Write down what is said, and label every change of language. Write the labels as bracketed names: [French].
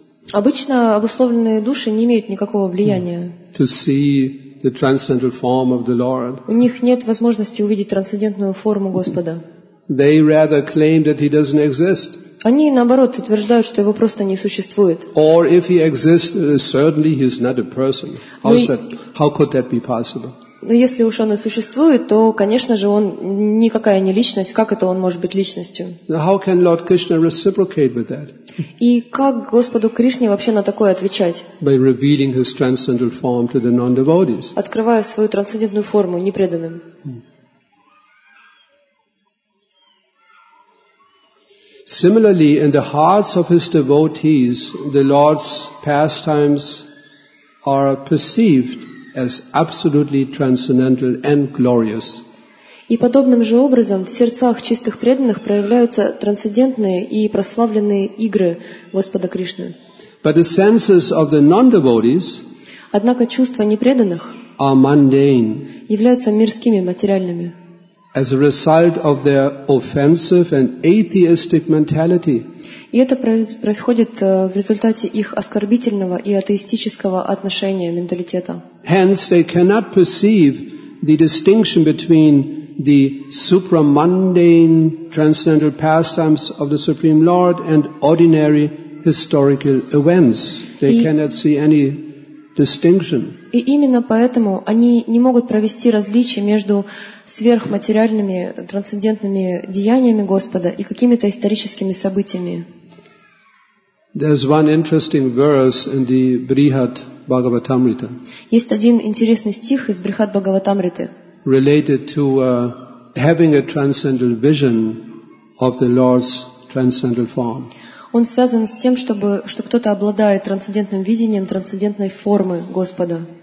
[Russian] Обычно обусловленные души не имеют никакого влияния. [English] To see the transcendental form of the Lord. [Russian] У них нет возможности увидеть трансцендентную форму Господа. [English] They rather claim that he doesn't exist. [Russian] Они, наоборот, утверждают, что его просто не существует. [English] Or if he exists, certainly he is not a person. How could that be possible? [Russian] Но если уж он и существует, то, конечно же, он никакая не личность. Как это он может быть личностью? [English] How can Lord Krishna reciprocate with that? [Russian] И как Господу Кришне вообще на такое отвечать? [English] By revealing his transcendental form to the non-devotees. [Russian] Открывая свою трансцендентную форму непреданным. [English] Similarly, in the hearts of his devotees, the Lord's pastimes are perceived as absolutely transcendental and glorious. [Russian] И подобным же образом в сердцах чистых преданных проявляются трансцендентные и прославленные игры Господа Кришны. [English] But the senses of the non-devotees, [Russian] однако чувства непреданных, [English] are mundane, [Russian] являются мирскими, материальными. [English] As a result of their offensive and atheistic mentality. [Russian] И это происходит в результате их оскорбительного и атеистического отношения, менталитета. [English] Hence, they cannot perceive the distinction between the supramundane transcendental pastimes of the Supreme Lord and ordinary historical events. They cannot see any distinction. [Russian] И именно поэтому они не могут провести различие между сверхматериальными трансцендентными деяниями Господа и какими-то историческими событиями. [English] There's one interesting verse in the Brihat Bhagavatamrita. [Russian] Есть один интересный стих из Брихат Бхагаватамриты. [English] Related to having a transcendental vision of the Lord's transcendental form. [Russian] Он связан с тем, чтобы, что кто-то обладает трансцендентным видением трансцендентной формы Господа.